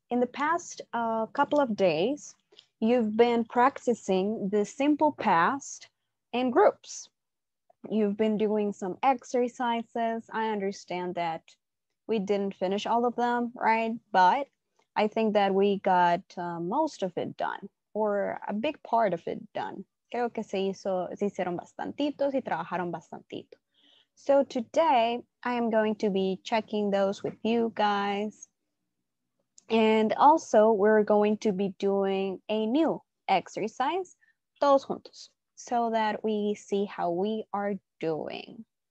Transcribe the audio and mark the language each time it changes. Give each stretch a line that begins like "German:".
English: In the past couple of days, you've been practicing the simple past in groups. You've been doing some exercises. I understand that we didn't finish all of them, right? But I think that we got most of it done, or a big part of it done.
Spanish: Creo que se hicieron bastantitos y trabajaron bastantito.
English: So today I am going to be checking those with you guys. And also we're going to be doing a new exercise,
Spanish: todos juntos,
English: so that we see how we are doing.